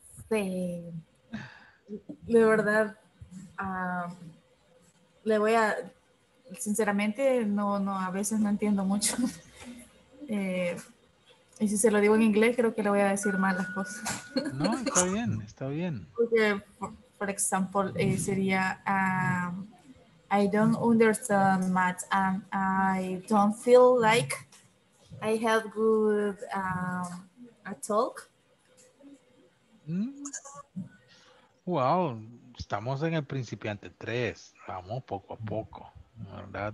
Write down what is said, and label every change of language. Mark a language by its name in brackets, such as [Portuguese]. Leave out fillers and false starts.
[Spanish] Sí. De verdad, le voy a... Sinceramente, no, a veces no entiendo mucho. Y si se lo digo en inglés, creo que le voy a decir mal las cosas. No, está bien, está bien. Porque, por ejemplo, sería, [English] I don't understand math and I don't feel like I have good a talk. [Spanish] Wow, estamos en el principiante 3, vamos poco a poco, ¿verdad?